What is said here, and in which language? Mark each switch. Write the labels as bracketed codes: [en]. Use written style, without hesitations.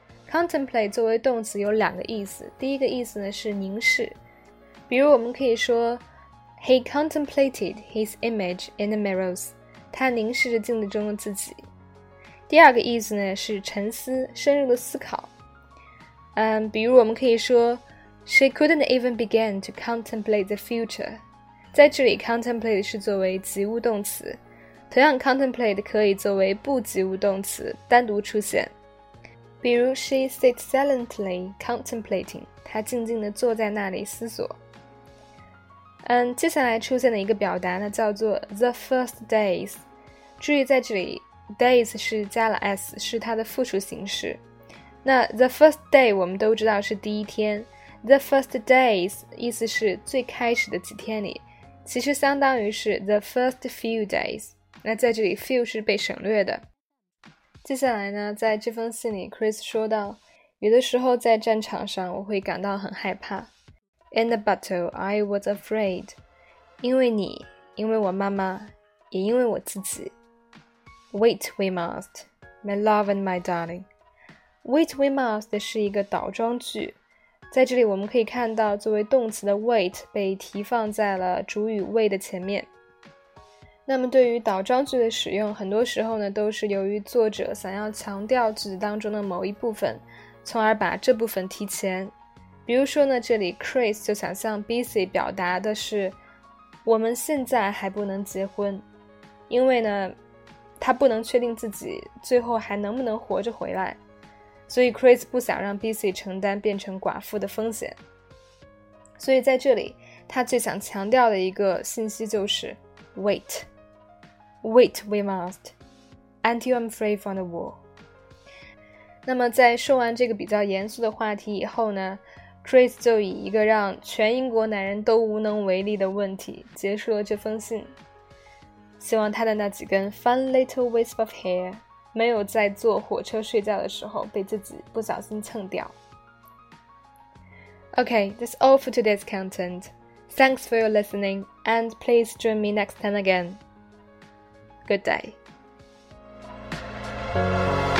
[zh] contemplate 作为动词有两个意思，第一个意思呢是凝视，比如我们可以说 [en] he contemplated his image in the mirrors, [zh] 他凝视着镜子中的自己。第二个意思呢是沉思，深入的思考。比如我们可以说 [en] She couldn't even begin to contemplate the future. [zh] 在这里 contemplate 是作为及物动词，同样 contemplate 可以作为不及物动词单独出现。 [en] 比如 She sat silently contemplating. [zh] 她静静地坐在那里思索。接下来出现的一个表达呢叫做 the first days, 注意在这里 days 是加了 s, 是它的复数形式。那 the first day 我们都知道是第一天， the first days 意思是最开始的几天里，其实相当于是 the first few days, 那在这里 few 是被省略的。接下来呢在这封信里 Chris 说到，有的时候在战场上我会感到很害怕， [en] In the battle, I was afraid. [zh] 因为你，因为我妈妈，也因为我自己。 [en] Wait, we must, my love and my darling. Wait, we must [zh] 是一个倒装句，在这里我们可以看到作为动词的 wait 被提放在了主语 wait 的前面。那么对于倒装句的使用，很多时候呢都是由于作者想要强调句子当中的某一部分，从而把这部分提前。比如说呢，这里 Chris 就想向 BC 表达的是，我们现在还不能结婚，因为呢，他不能确定自己最后还能不能活着回来，所以 Chris 不想让 BC 承担变成寡妇的风险。所以在这里，他最想强调的一个信息就是 [en] wait we must, until I'm free from the war. [zh] 那么在说完这个比较严肃的话题以后呢，Chris 就以一个让全英国男人都无能为力的问题结束了这封信，希望他的那几根 [en] fun little wisp of hair [zh] 没有在坐火车睡觉的时候被自己不小心蹭掉。 [en] OK, that's all for today's content. Thanks for your listening, and please join me next time again. Good day.